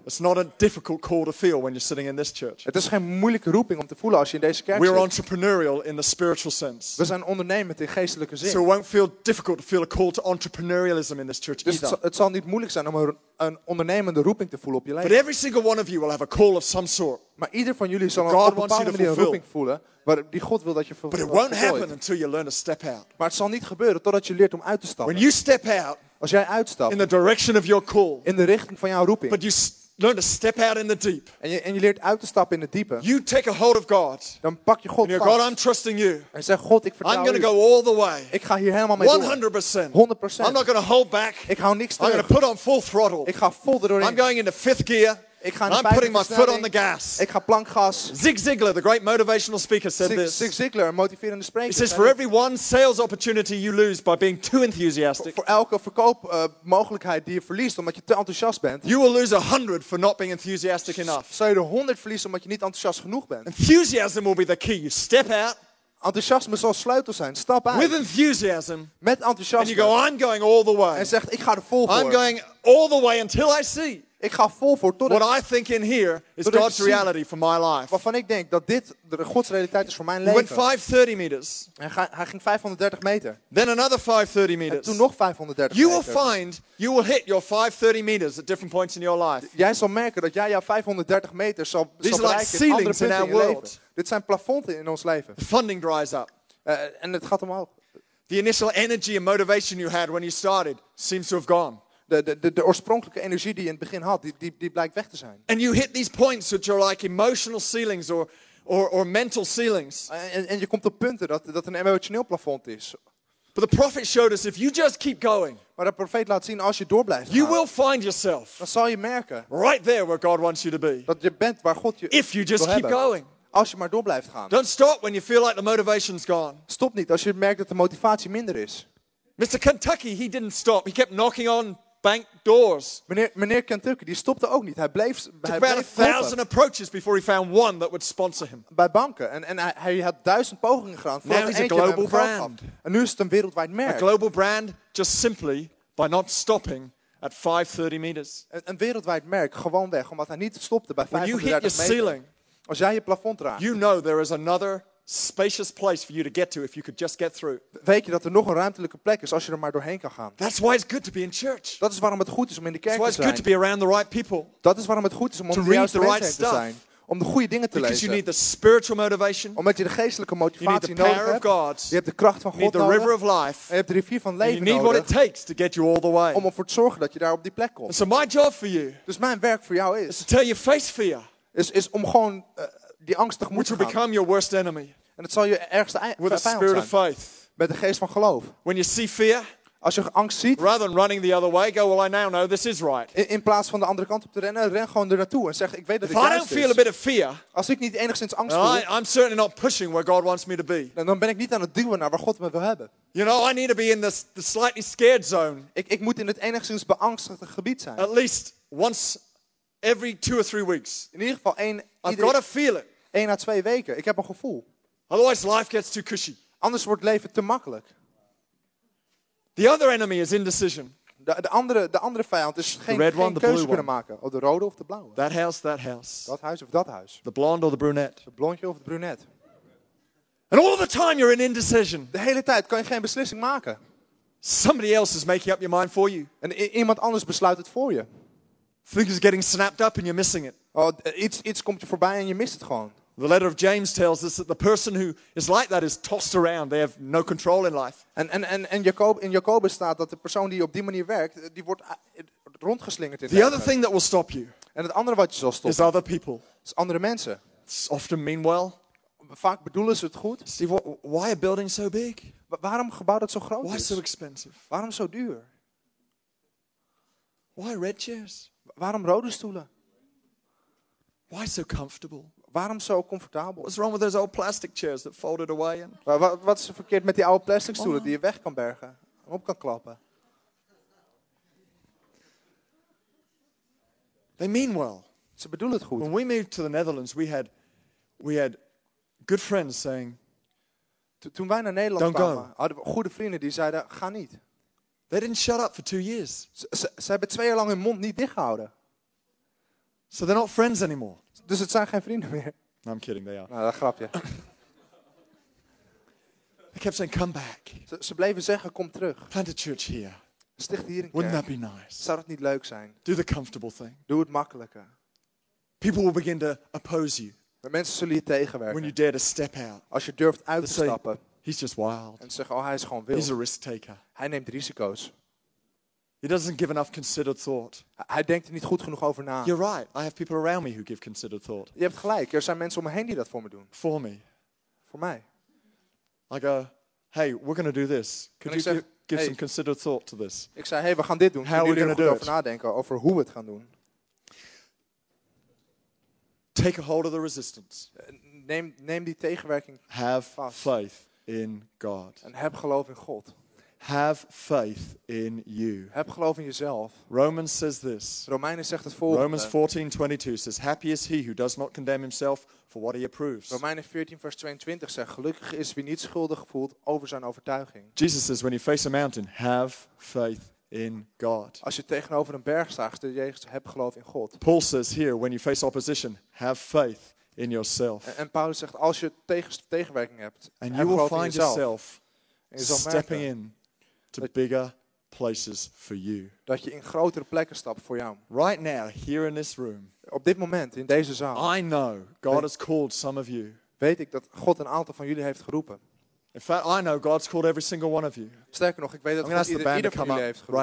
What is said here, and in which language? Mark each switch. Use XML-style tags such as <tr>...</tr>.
<en>It's not a difficult call to feel when you're sitting in this church.</en> <nl>Het is geen moeilijke roeping om te voelen als je in deze kerk zit.</nl> <en>We're entrepreneurial in the spiritual sense.</en> <nl>We zijn ondernemend in geestelijke zin.</nl> <en>So it won't feel difficult to feel a call to entrepreneurialism in this church</en> <nl>dus</nl> <en>either.</en> <nl>Het zal niet moeilijk zijn om een ondernemende roeping te voelen op je leven.</nl> <en>But every single one of you will have a call of some sort.</en> <nl>Maar ieder van jullie zal een bepaalde manier een roeping voelen. Maar die God wil dat je</nl> <en>But it won't happen until you learn to step out.</en> <nl>Maar het zal niet gebeuren totdat je leert om uit te stappen.</nl> <en>When you step out,</en> <nl>als jij uitstapt,</nl> <en>in the direction of your call,</en> <nl>in de richting van jouw roeping.</nl> <en>But you learn to step out in the deep.</en> <nl>En je leert uit te stappen in het diepe.</nl> <en>You take a hold of God.</en> <nl>Dan pak je God vast.</nl> <en>God, I'm trusting you.</en> <nl>En zeg God, ik vertrouw je.</nl> <en>I'm going to go all the way.</en> <nl>Ik ga hier helemaal mee</nl> <en>100%.</en> <nl>Door. 100%.</nl> <en>I'm not going to hold back.</en> <nl>Ik hou niks terug.</nl> <en>I'm going to put on full throttle.</en> <nl>Ik ga vol erdoorheen.</nl> <en>I'm going into fifth gear. I'm putting my foot on the gas.</en> <nl>Ik ga plank gas.</nl> <en>Zig Ziglar, the great motivational speaker, said this.</en> <nl>Zig Ziglar, een motiverende spreker.</nl> <en>He says, for every one sales opportunity you lose by being too enthusiastic.</en> <nl>Voor elke verkoop mogelijkheid die je verliest omdat je te enthousiast bent.</nl> <en>You will lose 100 for not being enthusiastic enough.</en> <nl>Zou je er 100 verliezen omdat je niet enthousiast genoeg bent.</nl> <en>Enthusiasm will be the key. You step out.</en> <nl>Enthousiasme zal sleutel zijn. Stap uit.</nl> <en>With enthusiasm.</en> <nl>Met enthousiasme.</nl> <en>And you go, I'm going all the way.</en> <nl>En zegt, ik ga er vol voor.</nl> <en>I'm going all the way until I see.</en> <nl>Ik ga vol voor tot</nl> <en>what I think in here is God's reality for my life.</en> <nl>Waarvan ik denk dat dit de Gods realiteit is voor mijn leven.</nl> <en>He went 530 meters.</en> <nl>Hij ging 530 meter.</nl> <en>Then another 530 meters.</en> <nl>En toen nog 530 meter.</nl> <en>You will find you will hit your 530 meters at different points in your life.</en> <nl>Jij zal merken dat jij jouw 530 meter zal bereiken.</nl> <en>These are like ceilings in our world.</en> <nl>Dit zijn plafonds in ons leven.</nl> <en>The funding dries up.</en> <nl>En het gaat omhoog.</nl> <en>The initial energy and motivation you had when you started seems to have gone.</en> <nl>De oorspronkelijke energie die je in het begin had, die blijkt weg te zijn.</nl> <en>And you hit these points which are like emotional ceilings or mental ceilings.</en> <nl>En je komt op punten dat een emotioneel plafond is.</nl> <en>But the prophet showed us if you just keep going.</en> <nl>Maar de profeet laat zien als je door blijft gaan.</nl> <en>You will find yourself.</en> <nl>Dan zal je merken.</nl> <en>Right there where God wants you to be.</en> <nl>Dat je bent waar God je wil hebben.</nl> <en>If you just keep going.</en> <nl>Als je maar door blijft gaan.</nl> <en>Don't stop when you feel like the motivation's gone.</en> <nl>Stop niet als je merkt dat de motivatie minder is.</nl> <en>Mr. Kentucky, he didn't stop. He kept knocking on bank doors.</en> <nl>Meneer Kentucky, die stopte ook niet. Hij bleef</nl> <en>about 1,000 approaches before he found one that would sponsor him.</en> <nl>Bij banken. En hij had 1,000 pogingen gedaan.</nl> <en>Now he's a global brand.</en> <nl>En nu is het een wereldwijd merk.</nl> <en>A global brand just simply by not stopping at 530 meters.</en> <nl>Een wereldwijd merk, gewoonweg, omdat hij niet stopte bij 530</nl> <en>meters. When you hit your ceiling,</en> <nl>als jij je plafond raakt,</nl> <en>you know there is another spacious place for you to get to if you could just get through.</en> <nl>Weet je dat er nog een ruimtelijke plek is als je er maar doorheen kan gaan?</nl> <en>That's why it's good to be in church.</en> <nl>Dat is waarom het goed is om in de kerk te zijn.</nl> <en>That's why it's good to be around the right people.</en> <nl>Dat is waarom het goed is om onder de juiste mensen te zijn. Om de goede dingen te lezen.</nl> <en>Because you need the spiritual motivation.</en> <nl>Omdat je de geestelijke motivatie nodig hebt.</nl> <en>You need the power of God.</en> <nl>Je hebt de kracht van God nodig.</nl> <en>You need the river of life.</en> <nl>En je hebt de rivier van leven nodig.</nl> <en>You need what it takes to get you all the way.</en> <nl>Om ervoor te zorgen dat je daar op die plek komt.</nl> <en>And so my job for you.</en> <nl>Dus mijn werk voor jou is.</nl> <en>Is to tell your face for you.</en> <nl>Is om gewoon die angstig moet gaan.</nl> <en>Become your worst enemy.</en> <nl>En het zal je ergste vijand zijn.</nl> <en>Of faith.</en> <nl>Met de geest van geloof.</nl> <en>When you see fear,</en> <nl>als je angst ziet.</nl> <en>Rather than running the other way, go well. I now know this is right.</en> <nl>In plaats van de andere kant op te rennen, ren gewoon er naartoe en zeg ik weet dat</nl> <en>if</en> <nl>ik juist is.</nl> <en>If I don't feel a bit of fear,</en> <nl>als ik niet enigszins angst voel,</nl> <en>I'm certainly not pushing where God wants me to be.</en> <nl>Dan ben ik niet aan het duwen naar waar God me wil hebben.</nl> <en>You know, I need to be in the slightly scared zone.</en> <nl>Ik moet in het enigszins beangstigde gebied zijn.</nl> <en>At least once every 2 or 3 weeks.</en> <nl>In ieder geval</nl> <en>I've got to feel it.</en> <nl>1 à 2 weken. Ik heb een gevoel.</nl> <en>Otherwise, life gets too cushy.</en> <nl>Anders wordt leven te makkelijk.</nl> <en>The other enemy is indecision.</en> <nl>De andere vijand is geen keuze kunnen maken. Of de rode of de blauwe.</nl> <en>That house, that house.</en> <nl>Dat huis of dat huis.</nl> <en>The blonde or the brunette.</en> <nl>De blondje of de brunette.</nl> <en>And all the time you're in indecision.</en> <nl>De hele tijd kan je geen beslissing maken.</nl> <en>Somebody else is making up your mind for you.</en> <nl>En iemand anders besluit het voor je.</nl> <en>Things are getting snapped up and you're missing it.</en> <nl>Oh, iets komt je voorbij en je mist het gewoon.</nl> <en>The letter of James tells us that the person who is like that is tossed around. They have no control in life.</en> <nl>En Jacobus staat dat de persoon die op die manier werkt, die wordt rondgeslingerd in</nl> <en>the other thing that will stop you.</en> <nl>En het andere wat je zal stoppen</nl> <en>is other people.</en> <nl>Is andere mensen.</nl> <en>It's often mean well.</en> <nl>Vaak bedoelen ze het goed.</nl> <en>See, why a building so big?</en> <nl>Waarom gebouw dat zo groot</nl> <en>why</en> <nl>is?</nl> <en>Why so expensive?</en> <nl>Waarom zo duur?</nl> <en>Why red chairs?</en> <nl>Waarom rode stoelen?</nl> <en>Why so comfortable?</en> <nl>Waarom zo comfortabel?</nl> <en>What's wrong with those old plastic chairs that folded away?</en> <nl>Wat is er verkeerd met die oude plastic stoelen die je weg kan bergen en op kan klappen?</nl> <en>They mean well.</en> <nl>Ze bedoelen het goed.</nl> <en>When we moved to the Netherlands, we had good friends saying.</en> <nl>Toen wij naar Nederland</nl> <en>don't</en> <nl>kwamen,</nl> <en>go.</en> <nl>Hadden we goede vrienden die zeiden: ga niet.</nl> <en>They didn't shut up for 2 years.</en> <nl>Ze hebben 2 jaar lang hun mond niet dichtgehouden.</nl> <en>So they're not friends anymore.</en> <nl>Dus het zijn geen vrienden meer.</nl> <en>No, I'm kidding, they are.</en> <nl>Nou, dat grapje.</nl> <en>They kept saying, come back.</en> <nl>Ze bleven zeggen: kom terug.</nl> <en>Plant a church here.</en> <nl>Sticht hier een</nl> <en>wouldn't</en> <nl>kerk.</nl> <en>That be nice?</en> <nl>Zou dat niet leuk zijn?</nl> <en>Do the comfortable thing.</en> <nl>Doe het makkelijker.</nl> <en>People will begin to oppose you.</en> <nl>De mensen zullen je tegenwerken.</nl> <en>When you dare to step out.</en> <nl>Als je durft uit te stappen.</nl> <en>He's just wild.</en> <nl>En zeggen: oh, hij is gewoon wild.</nl> <en>He's a risk taker.</en> <nl>Hij neemt risico's.</nl> <en>He doesn't give enough considered thought.</en> <nl>Hij denkt er niet goed genoeg over na.</nl> <en>You're right. I have people around me who give considered thought.</en> <nl>Je hebt gelijk. Er zijn mensen om me heen die dat voor me doen.</nl> <en>For me.</en> <nl>Voor mij.</nl> <en>I go, hey, we're going to do this. Could you give some considered thought to this?</en> <nl>Ik zei, hey, we gaan dit doen.</nl> <en>How are we going to do it?</en> <nl>Over nadenken over hoe we het gaan doen.</nl> <en>Take a hold of the resistance.</en> <nl>Neem die tegenwerking vast.</nl> <en>Have faith in God.</en> <nl>En heb geloof in God.</nl> <en>Have faith in you.</en> <nl>Heb geloof in jezelf.</nl> <en>Romans says this.</en> <nl>Romeinen zegt het volgende.</nl> <en>Romans 14:22 says, happy is he who does not condemn himself for what he approves.</en> <nl>Romeinen 14 vers 22 zegt, gelukkig is wie niet schuldig voelt over zijn overtuiging.</nl> <en>Jesus says, when you face a mountain, have faith in God.</en> <nl>Als je tegenover een berg staat, Jezus, heb geloof in God.</nl> <en>Paul says here, when you face opposition, have faith in yourself.</en> <nl>En Paulus zegt, als je tegenwerking hebt,</nl> <en>and</en> <nl>heb</nl> <en>you will</en> <nl>geloof</nl> <en>find</en> <nl>in jezelf.</nl> <en>Stepping in to bigger places for you.</en> <nl>Dat je in grotere plekken stapt voor jou.</nl> <en>Right now, here in this room.</en> <nl>Op dit moment in deze zaal.</nl> <en>I know God has called some of you.</en> <nl>Weet ik dat God een aantal van jullie heeft geroepen.</nl> <en>In fact, I know God's called every single one of you.</en> <nl>Sterker nog, ik weet dat God ieder van jullie heeft geroepen.</nl>